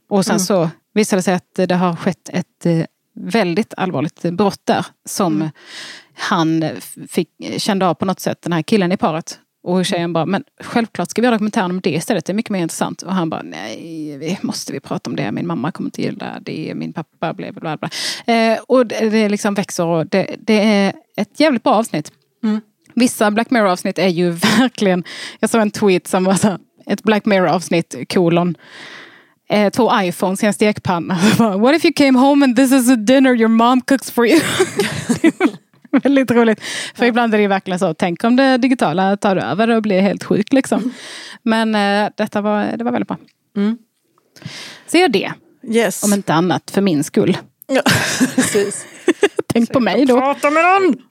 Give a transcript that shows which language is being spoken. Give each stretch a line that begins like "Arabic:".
Swedish: Och sen så visade det sig att det har skett ett... väldigt allvarligt brott där som han kände av på något sätt, den här killen i paret, och tjejen bara, men självklart ska vi göra dokumentär om det istället, det är mycket mer intressant, och han bara, nej, måste vi prata om det, min mamma kommer till där, det är min pappa, bla bla bla, och det liksom växer, och det är ett jävligt bra avsnitt. Vissa Black Mirror-avsnitt är ju verkligen, jag såg en tweet som var så här, ett Black Mirror-avsnitt, colon två iPhones i en stekpanna.
English: What if you came home and this is a dinner your mom cooks for you?
Swedish: Väldigt roligt. För ibland är det verkligen så. Tänk om det digitala tar över och blir helt sjuk liksom. Men detta var väldigt bra. Mm. Se det.
English: Yes.
Swedish: Om inte annat för min skull. Ja, precis. Tänk så på mig då. Prata med någon!